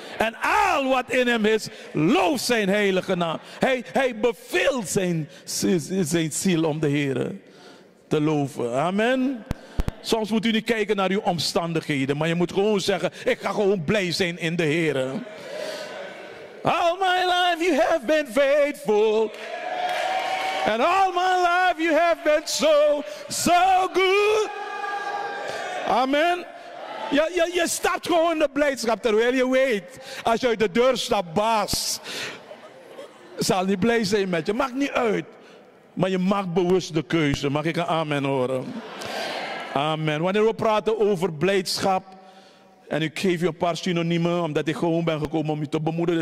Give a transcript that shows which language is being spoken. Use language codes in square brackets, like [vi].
[nl] En al wat in hem is, loof zijn heilige naam. Hij beveelt zijn ziel om de Heere te loven. Amen. Soms moet u niet kijken naar uw omstandigheden. Maar je moet gewoon zeggen, ik ga gewoon blij zijn in de Heere. [en] All my life you have been faithful. And all my life you have been so, so good. [nl] Amen. Je stapt gewoon de blijdschap terwijl je weet. Als je uit de deur stapt, baas. Zal niet blij zijn met je. Maakt niet uit. Maar je maakt bewust de keuze. Mag ik een amen horen? Amen. Wanneer we praten over blijdschap. En ik geef je een paar synoniemen, omdat ik gewoon ben gekomen om je te bemoedigen.